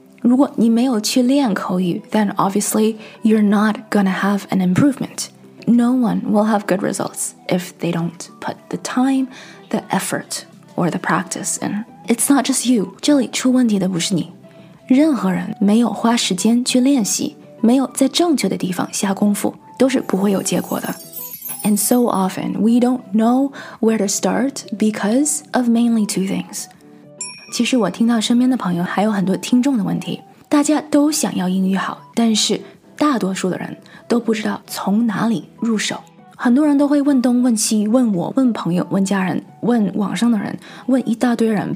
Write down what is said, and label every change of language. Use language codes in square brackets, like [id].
[zh] 如果你没有去练口语， [en] then obviously you're not gonna have an improvement. No one will have good results if they don't put the time, the effort, or the practice in. It's not just you. [zh] 这里出问题的不是你。任何人没有花时间去练习，没有在正确的地方下功夫，都是不会有结果的。 [en] And so often, we don't know where to start because of mainly two things. [zh] 其实我听到身边的朋友还有很多听众的问题，大家都想要英语好，但是大多数的人都不知道从哪里入手。很多人都会问东问西，问我，问朋友，问家人，问网上的人，问一大堆人。